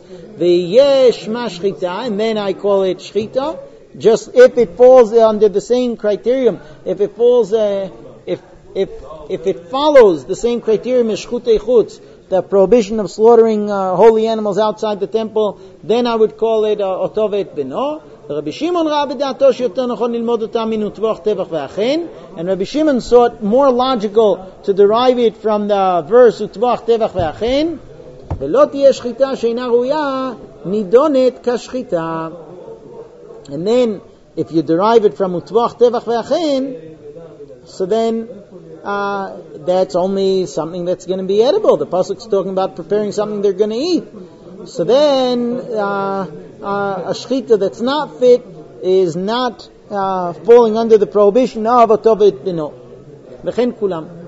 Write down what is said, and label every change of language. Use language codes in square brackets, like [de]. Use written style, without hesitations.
[he] Ve'yesh ma shchita, [en] and then I call it shchita. Just if it falls under the same criterion, if it falls, if it follows the same criterion as shchut echutz, the prohibition of slaughtering holy animals outside the temple, then I would call it otovet bino. [he] רבי שמעון ראה בדעתו שיותר נכון ללמוד אותה מן וטבוח טבח ואכן, [en] and רבי שמעון saw it more logical to derive it from the verse [he] וטבוח טבח ואכן, ולא תהיה שחיטה שאינה ראויה נידונת כשחיטה. [en] And then if you derive it from [he] וטבוח טבח ואכן, [en] so then that's only something that's going to be edible. The pasuk's talking about preparing something they're going to eat. So then a shechita that's not fit is not falling under the prohibition of atovet bino. [he] V'chen kulam.